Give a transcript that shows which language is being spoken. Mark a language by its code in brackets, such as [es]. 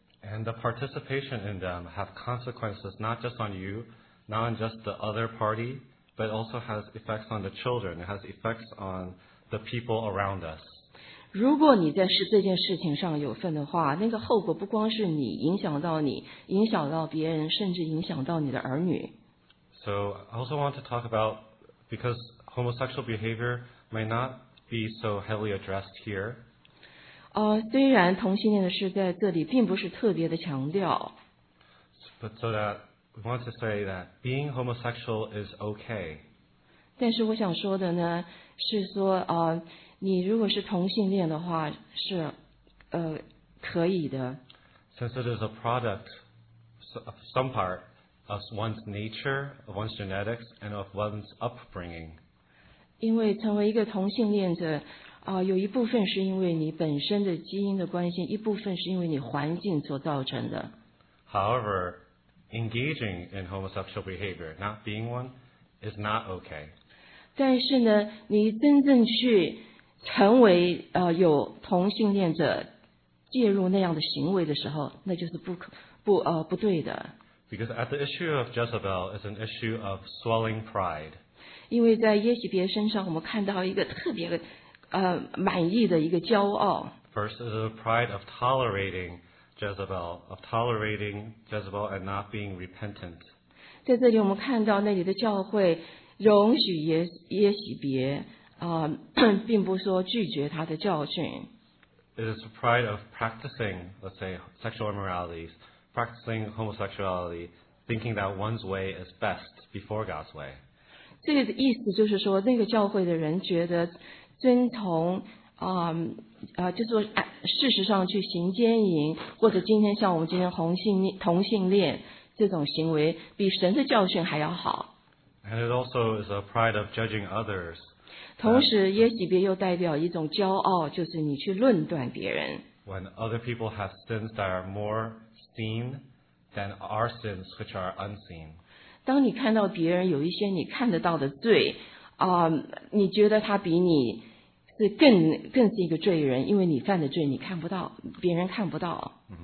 [en] And the participation in them have consequences not just on you, not on just the other party, but also has effects on the children. It has effects on the people around us. [zh] 如果你在这件事情上有份的话，那个后果不光是你，影响到你，影响到别人，甚至影响到你的儿女。 [en] So I also want to talk about, because homosexual behavior may not be so heavily addressed here, [zh] 虽然同性恋的事在这里并不是特别的强调。 [en] But so that we want to say that being homosexual is okay. [zh] 但是我想说的呢，是说你如果是同性恋的话，是可以的。 [en] Since it is a product of some part of one's nature, of one's genetics, and of one's upbringing. [zh] 因为成为一个同性恋者。有一部分是因为你本身的基因的关系，一部分是因为你环境所造成的。 [en] However, engaging in homosexual behavior, not being one, is not okay. [zh] 但是呢，你真正去成为有同性恋者介入那样的行为的时候，那就是不对的。 [en] Because at the issue of Jezebel is an issue of swelling pride. [zh] 因为在耶洗别身上，我们看到一个特别的。满意的一个骄傲。 [en] First is the pride of tolerating Jezebel, of tolerating Jezebel and not being repentant. [zh] 在这里我们看到那里的教会容许耶洗别并不说拒绝他的教训。 [en] It is the pride of practicing, let's say, sexual immoralities, practicing homosexuality, thinking that one's way is best before God's way. [zh] 这个意思就是说那个教会的人觉得遵从就是说事实上去行奸淫或者今天像我们今天同性恋这种行为比神的教训还要好。 [en] And it also is a pride of judging others. [zh] 同时耶洗别又代表一种骄傲就是你去论断别人。 [en] When other people have sins that are more seen than our sins which are unseen. [zh] 当你看到别人有一些你看得到的罪你觉得他比你是更是一个罪人，因为你犯的罪你看不到，别人看不到。